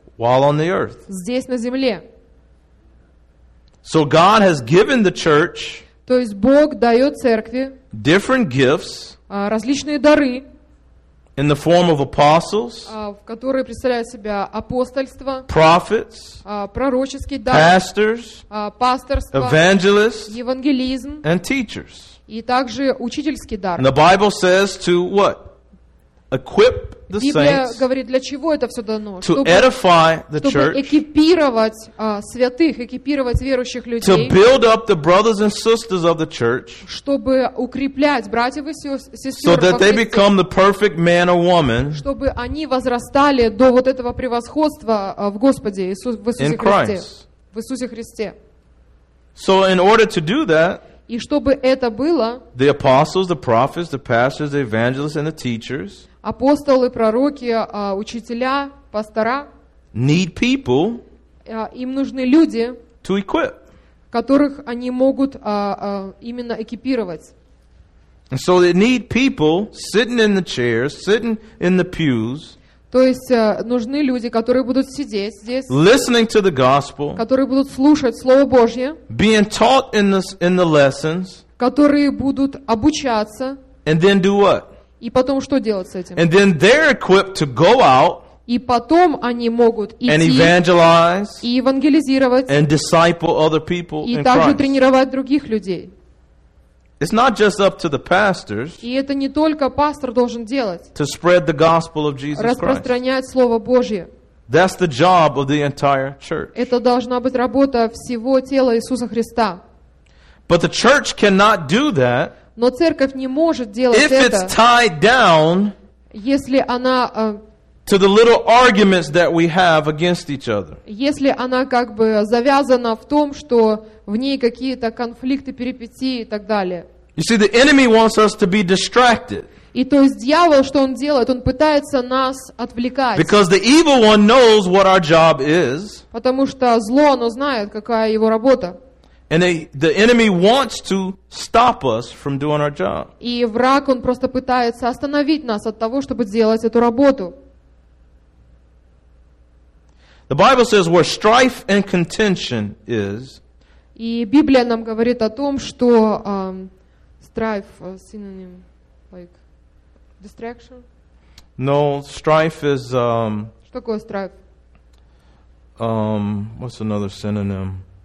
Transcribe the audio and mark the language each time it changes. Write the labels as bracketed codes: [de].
[en] While on the earth. [ru] Здесь на земле. [en] So God has given the church. [ru] То есть Бог дает церкви. [en] Different gifts. [ru] Различные дары. [en] In the form of apostles, [ru] которые представляют себя апостольство, [en] prophets, [ru] пророческие дары, [en] pastors, [ru] пасторство, [en] evangelists, [ru] евангелизм, [en] and teachers. [ru] И также учительский дар. [en] And the Bible says to what? Equip the [ru] Библия [en] saints. [ru] Библия говорит, для чего это все дано? [en] To edify the church. [ru] Чтобы экипировать святых, экипировать верующих людей. [en] To build up the brothers and sisters of the church. [ru] Чтобы укреплять братьев и сестер. [en] So that they become the perfect man or woman. [ru] Чтобы они возрастали до вот этого превосходства в Господе в Иисусе Христе. [en] So in order to do that. [ru] И чтобы это было. [en] The apostles, the prophets, the pastors, the evangelists, and the teachers. [ru] Апостолы, пророки, учителя, пастора. [en] Need people. [ru] Им нужны люди. [en] To equip. [ru] Которых они могут именно экипировать. [en] And so they need people sitting in the chairs, sitting in the pews. [ru] То есть нужны люди, которые будут сидеть здесь. [en] Listening to the gospel. [ru] Которые будут слушать Слово Божье. [en] Being taught in the lessons. [ru] Которые будут обучаться. [en] And then do what? [ru] И потом что делать с этим? [en] And then they're equipped to go out. [ru] И потом они могут идти. [en] And evangelize. [ru] И евангелизировать. [en] And disciple other people. [ru] И также тренировать других людей. [en] It's not just up to the pastors. [ru] И это не только пастор должен делать. [en] To spread the gospel of Jesus Christ. [ru] Распространять слово Божье. [en] That's the job of the entire church. [ru] Это должна быть работа всего тела Иисуса Христа. [en] But the church cannot do that. [ru] Но церковь не может делать это, [en] down, [ru] если она [en] to the little arguments that we have against each other. [ru] Если она как бы завязана в том, что в ней какие-то конфликты, перипетии и так далее. [en] You see, the enemy wants us to be distracted. [ru] И то есть дьявол, что он делает? Он пытается нас отвлекать. [en] Because the evil one knows what our job is. [ru] Потому что зло, оно знает, какая его работа. [en] And the enemy wants to stop us from doing our job. [ru] И враг, он просто пытается остановить нас от того, чтобы делать эту работу. [en] The Bible says where strife and contention is. [ru] И Библия нам говорит о том, что [en] strife, synonym, like distraction. No, strife is. [ru] Что такое strife? [en] What's another synonym?